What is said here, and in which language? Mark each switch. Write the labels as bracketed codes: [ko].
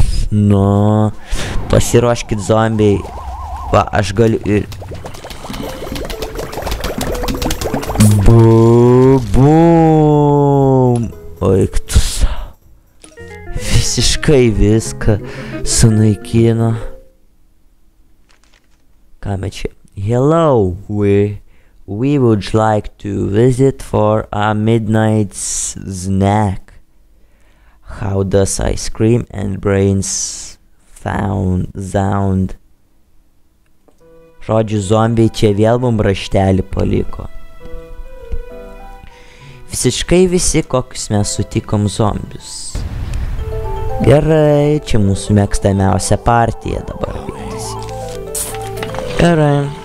[lt] Nu, pasiruoškit zombiai. Va, aš galiu ir... Bum. Oi, tu savo. Visiškai viską sunaikino. Ką me čia? [en] Hello, we would like to visit for a midnight snack. How does ice cream and brains sound? [lt] Žodžiu, zombiai čia vėl mum raštelį paliko. Visiškai visi, kokius mes sutikom zombius. Gerai, čia mūsų mėgstamiausia partija dabar vyks. Gerai.